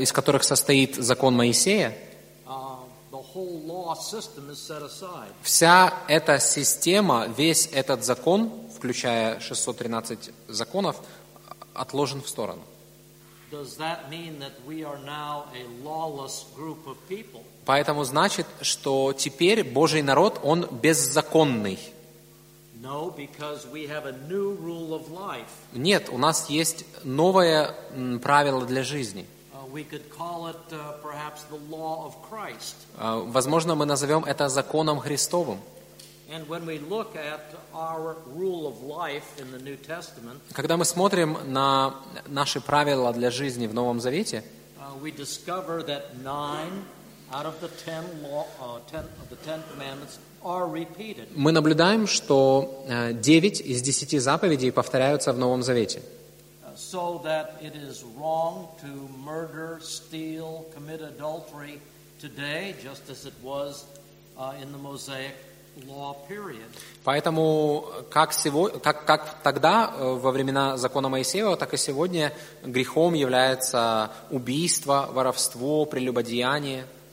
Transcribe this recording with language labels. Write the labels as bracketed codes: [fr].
[ru] из которых состоит закон Моисея. [en] The whole law system is set aside. [ru] Вся эта система, весь этот закон, включая 613 законов, отложен в сторону. [en] Does that mean that we are now a lawless group of people? [ru] Поэтому значит, что теперь Божий народ, он беззаконный. [en] No, because we have a new rule of life. [ru] Нет, у нас есть новое правило для жизни. [en] We could call it perhaps the law of Christ. [ru] Возможно, мы назовём это законом Христовым. [en] And when we look at our rule of life in the New Testament, [ru] когда мы смотрим на наши правила для жизни в Новом Завете, [en] we discover that 9 out of the 10 law, 10 of the 10 commandments are repeated. [ru] Мы наблюдаем, что 9 из 10 заповедей повторяются в Новом Завете. [en] so that it is wrong to murder, steal, commit adultery today, just as it was in the Mosaic law period. [ru] Поэтому как тогда во времена закона Моисеева, так и сегодня грехом является убийство, воровство, прелюбодеяние.